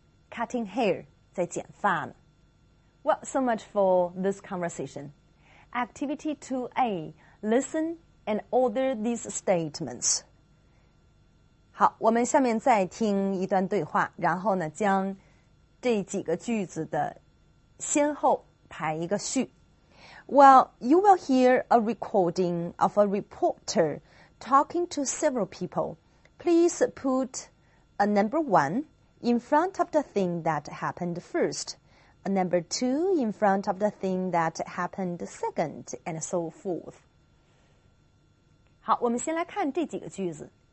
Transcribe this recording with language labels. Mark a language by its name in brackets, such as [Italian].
[English] Cutting hair, 在剪发呢。 Well, so much for this conversation. Activity 2A, listen and order these statements. [Chinese] 好，我们下面再听一段对话，然后呢，将这几个句子的先后排一个序。 [English] Well, you will hear a recording of a reporter talking to several people. Please put a number one in front of the thing that happened first, a number two in front of the thing that happened second, and so forth. [Chinese] 好，我们先来看这几个句子。